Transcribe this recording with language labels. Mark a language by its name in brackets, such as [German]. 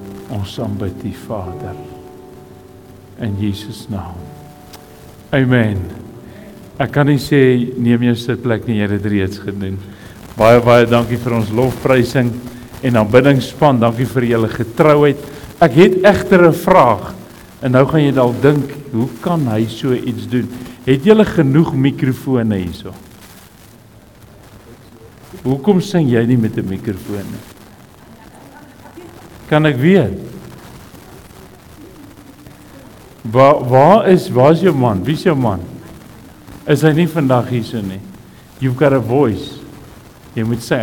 [Afrikaans] Ons aanbid U, Vader. In Jesus' naam. Amen. Ek kan nie sê, neem jou sitplek nie, jy het reeds gedoen. Baie, baie dankie vir ons lofprysing en aanbiddingsspan. Dankie vir julle getrouheid. Ek het egter 'n vraag. En nou gaan jy dalk dink, hoe kan hy so iets doen? Het julle genoeg mikrofone hierso? Hoekom sing jy nie met 'n mikrofoon nie? Kan ek weet? Waar is jou man? Wie is jou man? Is hy nie vandag hierso nie? [English] You've got a voice. [Afrikaans] Jy moet sing.